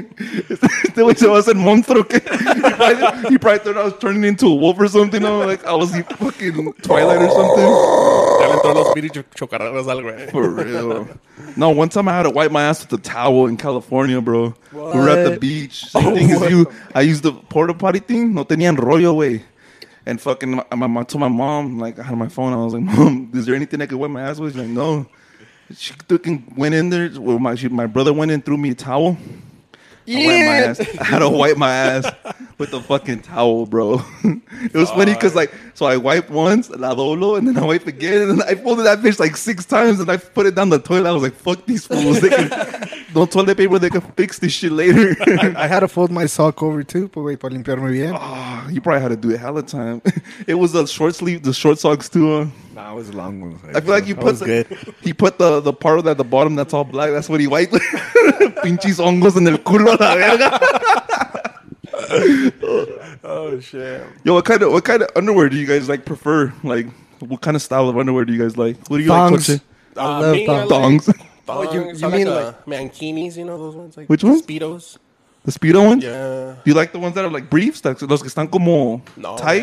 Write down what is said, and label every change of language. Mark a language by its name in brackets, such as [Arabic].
[Spanish] Este wey se va a hacer monstruo que? [English] He probably thought I was turning into a wolf or something. I'm like, I was in fucking Twilight or something. For real. No, one time I had to wipe my ass with a towel in California, bro. What? We were at the beach. Same thing as you. I used the porta potty thing. [Spanish] No tenían rollo, wey. [English] And fucking, I told my mom, like, I had my phone. I was like, Mom, is there anything I could wipe my ass with? She's like, no. She went in there. Well, my brother went in, threw me a towel. Yeah. I had to wipe my ass with the fucking towel, bro. It was funny because, like, so I wiped once, [Spanish] la dolo, [English] and then I wiped again. And I folded that bitch like six times and I put it down the toilet. I was like, fuck these fools. Don't toilet paper, they can fix this shit later. I had to fold my sock over too, but wait, [Spanish] para limpiarme bien. [English] You probably had to do it hella time. It was the short sleeve, the short socks too. Nah, it was a long one. I feel like he put the part of that at the bottom that's all black. That's what he wiped. [Spanish] Pinches hongos en el culo a la verga. [English] Oh, shit. Yo, what kind of underwear do you guys, like, prefer? Like, what kind of style of underwear do you guys like? What do you thongs. Like? I love thongs. Thongs. You mean like mankinis, you know, those ones? Like, which ones? Speedos. The speedo ones? Yeah. Do you like the ones that are, like, briefs? [Spanish] Los que están como [English] tight?